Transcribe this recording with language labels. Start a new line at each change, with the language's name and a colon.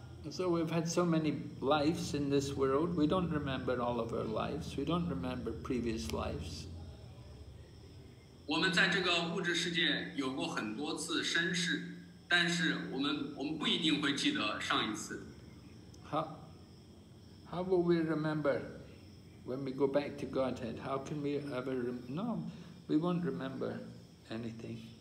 English: So we've had so many lives in this world, we don't remember all of our lives, we don't remember previous lives.
Chinese: 我们在这个物质世界有过很多次身世，但是我们不一定会记得上一次。
English: How will we remember when we go back to Godhead? How can we ever no, we won't remember anything.